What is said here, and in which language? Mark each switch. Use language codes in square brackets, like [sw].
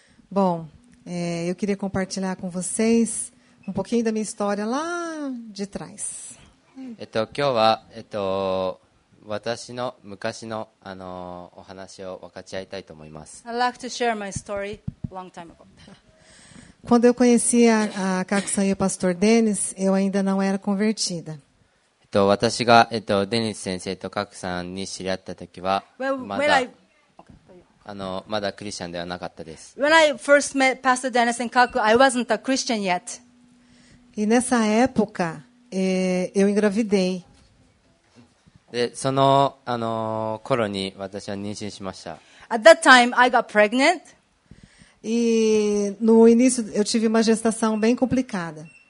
[pt] Bom, eu queria compartilhar com vocês um pouquinho da minha história lá de trás. [ja] 今日は、私の昔の、お話を分かち合いたいと思います。 [en] I'd like to share my story long time ago. [pt] Quando eu conheci a Kaku-san e o pastor Dennis, eu ainda não era convertida. [ja] 私が、デニス先生とカクさんに知り合ったときは、まだクリスチャンではなかったです。 [en] When I first met Pastor Dennis and Kaku, I wasn't a Christian yet. [pt] E nessa época, eu engravidei. [ja] で、その、頃に私は妊娠しました。 [en] At that time, I got pregnant. [pt] E no início, eu tive uma gestação bem complicada.